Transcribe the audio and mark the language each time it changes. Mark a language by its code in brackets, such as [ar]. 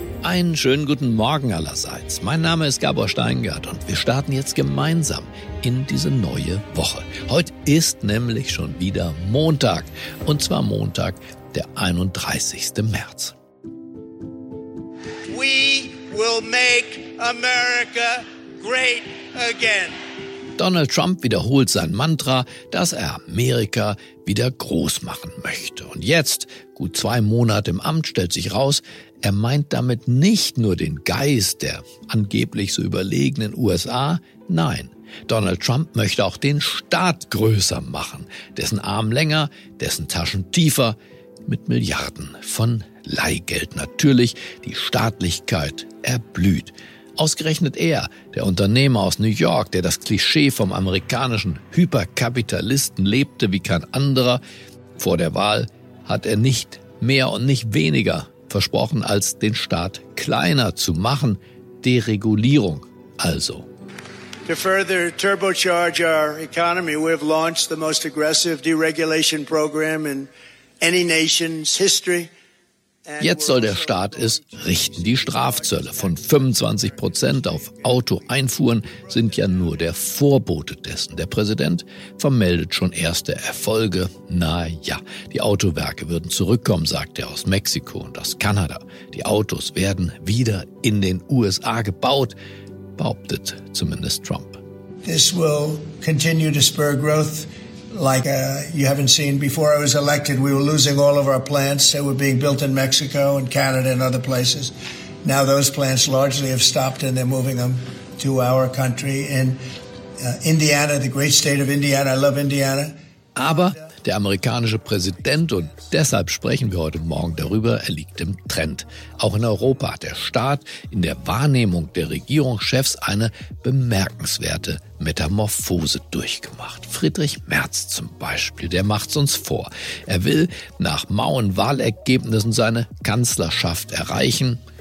[de] Einen schönen guten Morgen allerseits. Mein Name ist Gabor Steingart und wir starten jetzt gemeinsam in diese neue Woche. Heute ist nämlich schon wieder Montag. Und zwar Montag, der 31. März. [en] We will make America great again. [de] Donald Trump wiederholt sein Mantra, dass er Amerika wieder groß machen möchte. Und jetzt, gut 2 Monate im Amt, stellt sich raus, er meint damit nicht nur den Geist der angeblich so überlegenen USA. Nein, Donald Trump möchte auch den Staat größer machen, dessen Arm länger, dessen Taschen tiefer, mit Milliarden von Leihgeld. Natürlich, die Staatlichkeit erblüht. Ausgerechnet er, der Unternehmer aus New York, der das Klischee vom amerikanischen Hyperkapitalisten lebte wie kein anderer. Vor der Wahl hat er nicht mehr und nicht weniger versprochen, als den Staat kleiner zu machen. Deregulierung also. [en] To further turbocharge our economy, we have launched the most aggressive deregulation program in any nation's history. [de] Jetzt soll der Staat es richten. Die Strafzölle von 25% auf Autoeinfuhren sind ja nur der Vorbote dessen. Der Präsident vermeldet schon erste Erfolge. Na ja, die Autowerke würden zurückkommen, sagt er, aus Mexiko und aus Kanada. Die Autos werden wieder in den USA gebaut, behauptet zumindest Trump. [en] This will continue to spur growth. Like you haven't seen before I was elected, we were losing all of our plants that were being built in Mexico and Canada and other places. Now those plants largely have stopped and they're moving them to our country in Indiana, the great state of Indiana. I love Indiana. [de] Aber der amerikanische Präsident, und deshalb sprechen wir heute Morgen darüber, er liegt im Trend. Auch in Europa hat der Staat in der Wahrnehmung der Regierungschefs eine bemerkenswerte Metamorphose durchgemacht. Friedrich Merz zum Beispiel, der macht's uns vor. Er will nach mauen Wahlergebnissen seine Kanzlerschaft erreichen.